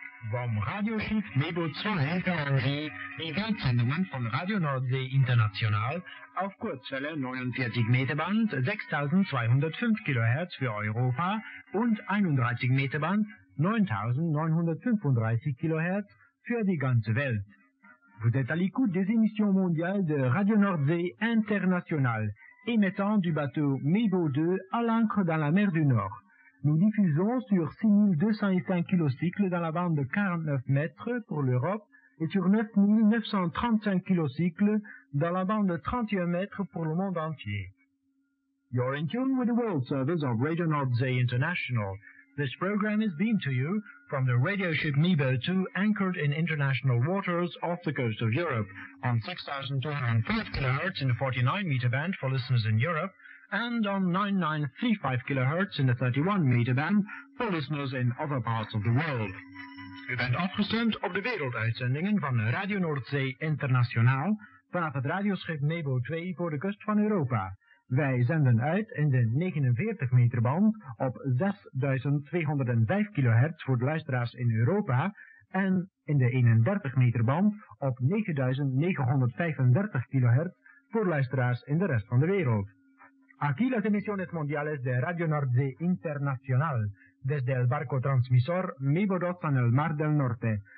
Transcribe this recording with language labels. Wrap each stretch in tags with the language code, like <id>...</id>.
<de>Vom Radioschiff Mebo 2 RNG, die Weltsendungen von Radio Nordsee International auf Kurzwelle 49 Meter Band 6205 kHz für Europa und 31 Meter Band 9935 kHz für die ganze Welt.</de> <fr>Vous êtes à l'écoute des émissions mondiales de Radio Nordsee International, émettant du bateau Mebo 2 à l'ancre dans la mer du Nord. Nous diffusons sur 6205 kilocycles dans la bande de 49 mètres pour l'Europe et sur 9935 kilocycles dans la bande de 31 mètres pour le monde entier.</fr> <en>You're in tune with the world servers of Radio Nordsee International. This program is beamed to you from the radio ship Mebo 2, anchored in international waters off the coast of Europe, on 6,205 kHz in the 49-meter band for listeners in Europe, and on 9,935 kHz in the 31-meter band for listeners in other parts of the world. We bent 8% of the world</en> <nl>uitzendingen van Radio Noordzee Internationaal vanaf het radioschip Mebo 2 voor de kust van Europa. Wij zenden uit in de 49 meter band op 6205 kHz voor de luisteraars in Europa en in de 31 meter band op 9935 kHz voor luisteraars in de rest van de wereld.</nl> <es>Aquí las emisiones mundiales de Radio Nordzee Internacional desde el barco transmisor Mebo 2 en el Mar del Norte.</es>